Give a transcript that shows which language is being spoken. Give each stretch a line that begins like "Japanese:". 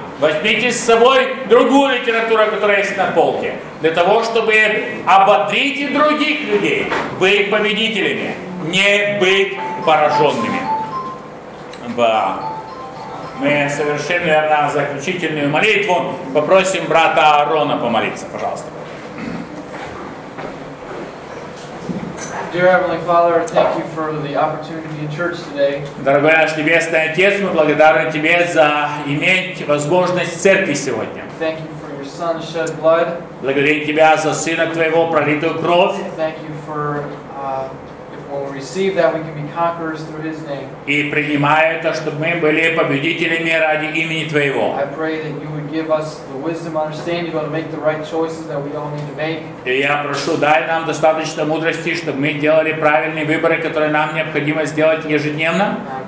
Russian: Возьмите с собой другую литературу, которая есть на полке, для того, чтобы ободрить других людей быть победителями, не быть пораженными. Да. Мы совершим, наверное, заключительную молитву. Попросим брата Аарона помолиться, пожалуйста.
English: Dear Heavenly Father, thank you for the opportunity in church today.
Russian: Дорогой наш небесный Отец, мы благодарны тебе за иметь возможность в церкви сегодня.
English: Thank you for your Son shed blood.
Russian: Благодарим тебя за сына твоего пролитую кровь.
English: Thank you for if we receive that, we can be conquerors through His name.
Russian: И принимая это, чтобы мы были победителями ради имени твоего.
English: I pray that you would give us the wisdom, understanding, to make the right choices that we all need to make.
Russian: И я прошу, дай нам достаточно мудрости, чтобы мы делали правильные выборы, которые нам необходимо сделать ежедневно.